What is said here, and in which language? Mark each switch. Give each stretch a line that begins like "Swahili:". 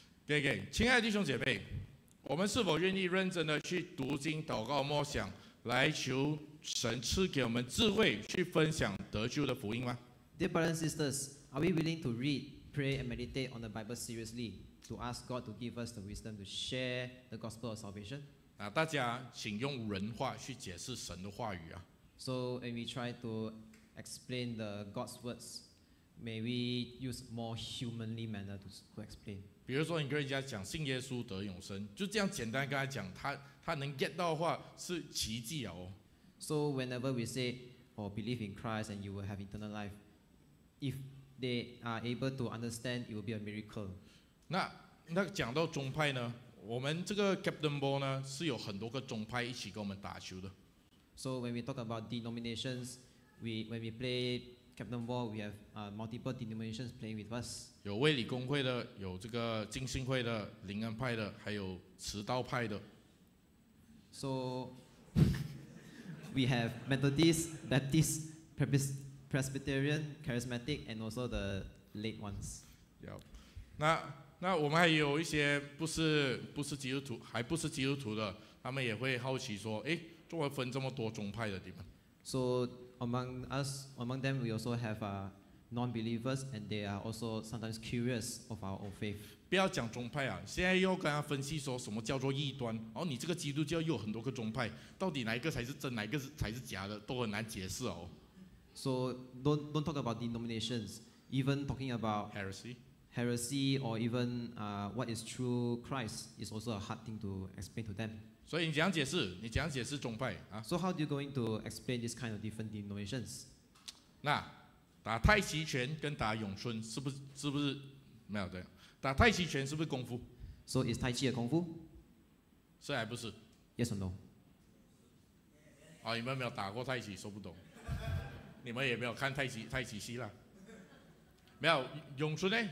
Chinese: OK， 亲爱的弟兄姐妹，我们是否愿意认真的去读经、祷告、默想，来求神赐给我们智慧，去分享得救的福音吗
English: ？Dear brothers and sisters, are we willing to read? Pray and meditate on the Bible seriously to ask God to give us the wisdom to share the gospel of salvation.
Chinese: 啊，大家请用人话去解释神的话语啊。
English: So when we try to explain the God's words, may we use more humanly manner to explain.
Chinese: 比如说，你跟人家讲信耶稣得永生，就这样简单跟他讲，他能 get 到的话是奇迹哦。
English: So whenever we say, "Oh, believe in Christ and you will have eternal life," if they are able to understand it will be a miracle.
Chinese: 那讲到宗派呢，我们这个 Captain Ball 呢是有很多个宗派一起跟我们打球的。
English: So when we talk about denominations, when we play Captain Ball, we have multiple denominations playing with us.
Chinese: 有卫理公会的，有这个浸信会的，灵恩派的，还有迟到派的。
English: So we have Methodist, Baptist, Presbyterian, Charismatic, and also the late ones. Yep.
Chinese: 那我们还有一些不是基督徒，还不是基督徒的，他们也会好奇说，诶，中文分这么多宗派的地方。
English: So among them we also have non-believers, and they are also sometimes curious of our own faith.
Chinese: 不要讲宗派啊，现在又跟他分析说什么叫做异端，哦，你这个基督教又有很多个宗派，到底哪一个才是真，哪一个才是假的，都很难解释哦。
English: So don't talk about denominations, even talking about heresy or even what is true Christ is also a hard thing to explain to them.
Chinese: 所以你怎样解释？你怎样解释宗派啊
English: ？So how do you going to explain this kind of different denominations?
Chinese: 那打太极拳跟打咏春是不是没有对？打太极拳是不是功夫？
English: So is
Chinese: 太极的功夫？是还不是
English: ？Yes or no?
Chinese: 啊，你们没有打过太极，说不懂。你们也没有看太极戏啦，没有咏春呢？